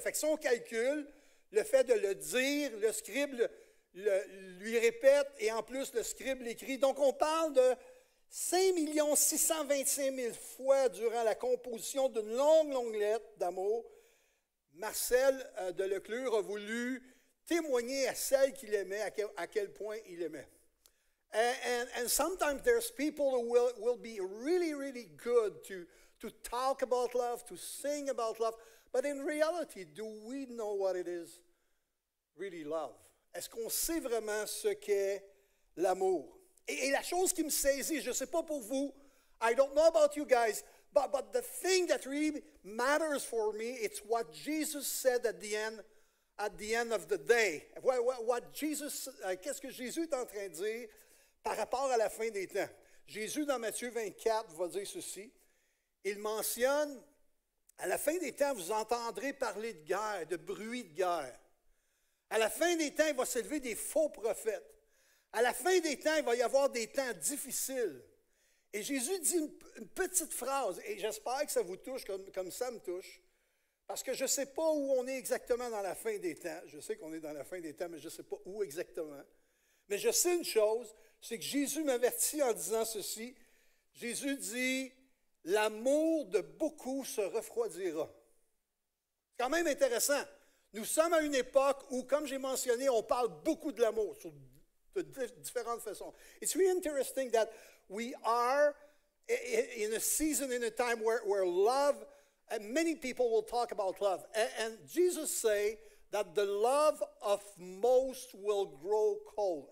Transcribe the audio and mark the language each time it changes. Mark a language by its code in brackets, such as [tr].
[fr] Fait que son calcul, le fait de le dire, le scribe lui répète, et en plus, le scribe l'écrit. Donc, on parle de 5 625 000 fois durant la composition d'une longue, longue lettre d'amour. Marcel de Leclerc a voulu témoigner à celle qu'il aimait, à quel point il aimait. [en] And sometimes there's people who will be really, really good to talk about love, to sing about love. But in reality, do we know what it is really love? [fr] Est-ce qu'on sait vraiment ce qu'est l'amour? Et la chose qui me saisit, je ne sais pas pour vous, [en] I don't know about you guys, but the thing that really matters for me, it's what Jesus said at the end of the day. What Jesus, [fr] qu'est-ce que Jésus est en train de dire par rapport à la fin des temps? Jésus, dans Matthieu 24, va dire ceci. Il mentionne, à la fin des temps, vous entendrez parler de guerre, de bruit de guerre. À la fin des temps, il va s'élever des faux prophètes. À la fin des temps, il va y avoir des temps difficiles. Et Jésus dit une petite phrase, et j'espère que ça vous touche comme ça me touche, parce que je ne sais pas où on est exactement dans la fin des temps. Je sais qu'on est dans la fin des temps, mais je ne sais pas où exactement. Mais je sais une chose, c'est que Jésus m'avertit en disant ceci. Jésus dit, l'amour de beaucoup se refroidira. C'est quand même intéressant. Nous sommes à une époque où, comme j'ai mentionné, on parle beaucoup de l'amour, de différentes façons. [en] It's really interesting that we are in a season, in a time where love, and many people will talk about love. And Jesus say that the love of most will grow cold.